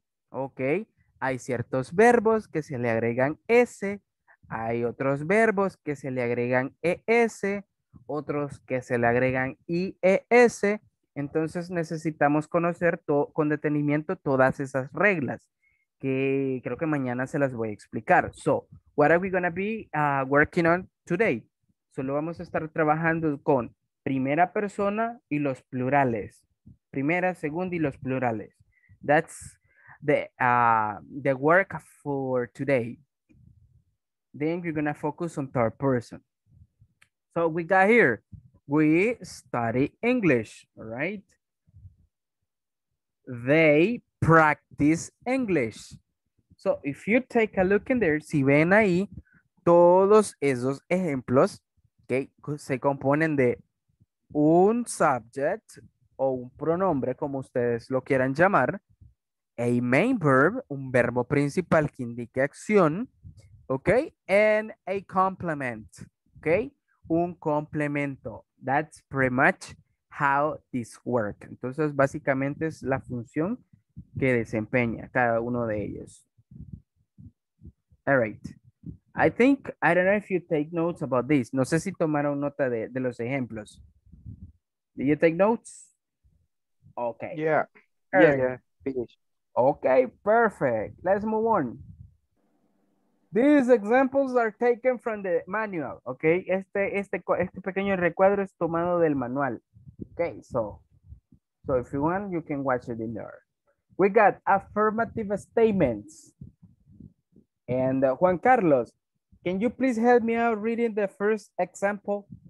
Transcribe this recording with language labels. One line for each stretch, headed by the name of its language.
Spanish: Ok, hay ciertos verbos que se le agregan S, hay otros verbos que se le agregan ES, otros que se le agregan IES. Entonces necesitamos conocer con detenimiento todas esas reglas que creo que mañana se las voy a explicar.
English: So, what are we going to be working on today?
Spanish: Solo vamos a estar trabajando con primera persona y los plurales. Primera, segunda y los plurales.
English: That's the work for today. Then you're gonna focus on third person. So we got here. We study English, right? They practice English. So if you take a look in there,
Spanish: si ven ahí, todos esos ejemplos que se componen de un subject o un pronombre, como ustedes lo quieran llamar,
English: a main verb,
Spanish: un verbo principal que indique acción, ¿ok?
English: And a complement, ¿ok?
Spanish: Un complemento.
English: That's pretty much how this works.
Spanish: Entonces, básicamente es la función que desempeña cada uno de ellos.
English: All right. I think, I don't know if you take notes about this.
Spanish: No sé si tomaron nota de los ejemplos.
English: Did you take notes? Okay. Yeah. Right. Yeah. Finish. Okay, perfect. Let's move on. These examples are taken from the manual.
Spanish: Okay, este pequeño recuadro es tomado del manual.
English: Okay, so if you want, you can watch it in there. We got affirmative statements. And Juan Carlos, can you please help me out reading the first example?